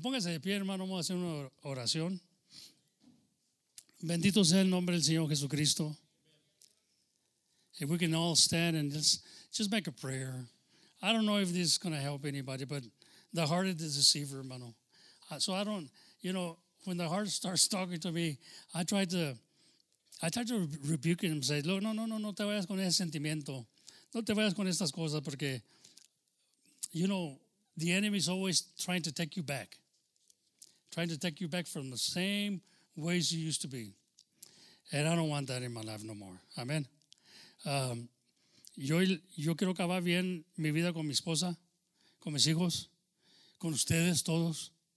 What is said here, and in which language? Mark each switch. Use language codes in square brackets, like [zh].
[es] Póngase de pie, hermano, vamos a hacer una oración. Bendito sea el nombre del Señor Jesucristo. [en] If we can all stand and just make a prayer. I don't know if this is going to help anybody, but the heart of the deceiver, hermano. So I don't, you know, when the heart starts talking to me, I try to rebuke him and say, look, [es] no, te vayas con ese sentimiento. No te vayas con estas cosas porque, [en] you know, the enemy is always trying to take you back. Trying to take you back from the same ways you used to be. And I don't want that in my life no more. Amen. [es] Yo quiero acabar bien mi vida con mi esposa, con mis hijos, con ustedes todos.